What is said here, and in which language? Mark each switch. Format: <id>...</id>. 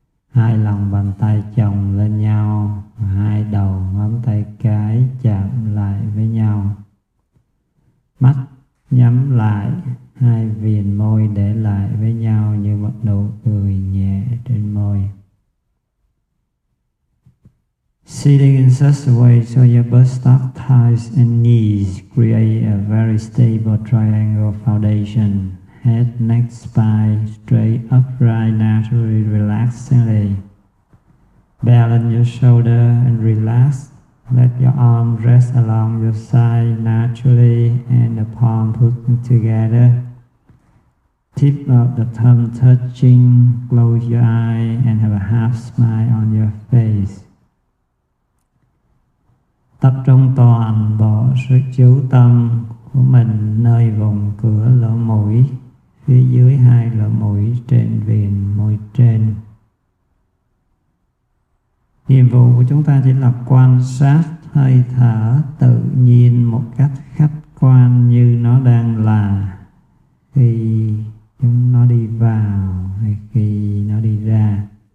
<vi>Hai lòng bàn tay chồng lên nhau. Hai đầu ngón tay cái chạm lại với nhau. Mắt nhắm lại. Hai viền môi để lại với nhau như một nụ cười nhẹ trên môi.</vi> <en>Sitting in such a way so your buttock, thighs and knees create a very stable triangle foundation. Head, neck, spine straight, upright, naturally relaxingly. Balance your shoulder and relax. Let your arm rest along your side naturally and the palm put together. Tip of the thumb touching, close your eye and have a half smile on your face.</en> <vi>Tập trung toàn bộ sự chú tâm của mình nơi vùng cửa lỗ mũi, phía dưới hai lỗ mũi trên viền môi trên. Nhiệm vụ của chúng ta chỉ là quan sát hơi thở tự nhiên một cách khách quan như nó đang là khi chúng nó đi vào hay khi nó đi ra.</vi>